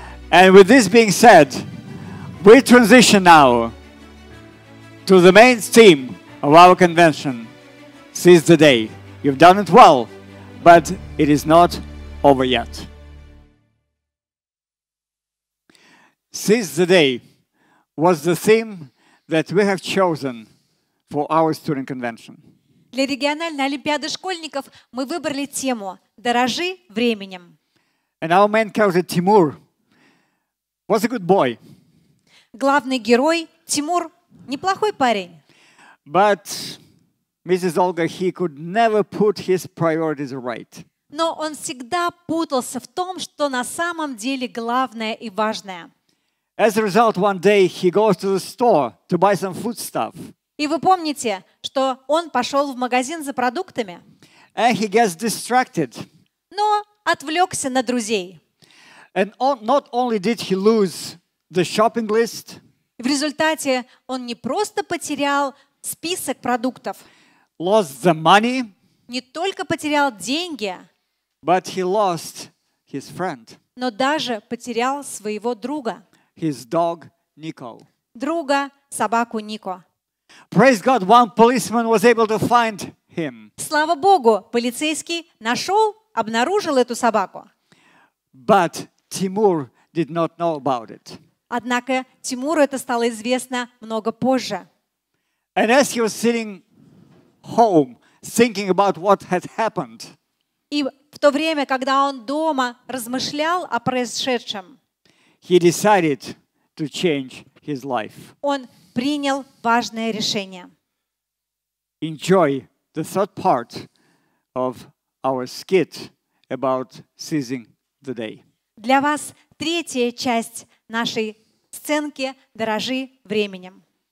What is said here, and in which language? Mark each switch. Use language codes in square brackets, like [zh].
[en] And with this being said, we transition now to the main theme of our convention, seize the day. You've done it well, but it is not over yet. Seize the day was the theme that we have chosen for our student convention. [ru] Для региональной олимпиады школьников мы выбрали тему «Дорожи временем». [en] And our main character Тимур was a good boy. [ru] Главный герой Тимур неплохой парень. [en] But Mrs. Olga, he could never put his priorities right. [ru] Но он всегда путался в том, что на самом деле главное и важное. [en] As a result, one day he goes to the store to buy some foodstuff. [ru] И вы помните, что он пошел в магазин за продуктами? [en] And he gets distracted. [ru] Но отвлекся на друзей. [en] And not only did he lose the shopping list. [ru] В результате он не просто потерял список продуктов. [en] Lost the money. [ru] Не только потерял деньги. [en] But he lost his friend. [ru] Но даже потерял своего друга. [en] His dog Nico. [ru] Друга, собаку Нико. [en] Praise God, one policeman was able to find him. [ru] Слава Богу, полицейский нашел, обнаружил эту собаку. [en] But Timur did not know about it. [ru] Однако Тимуру это стало известно много позже. [en] And as he was sitting home, thinking about what had happened, [ru] и в то время, когда он дома размышлял о произошедшем, [en] he decided to change his life. [ru] Он принял важное решение. [en] Enjoy the third part of our skit about seizing the day. [ru] Для вас третья часть нашей сценки «Дорожи временем».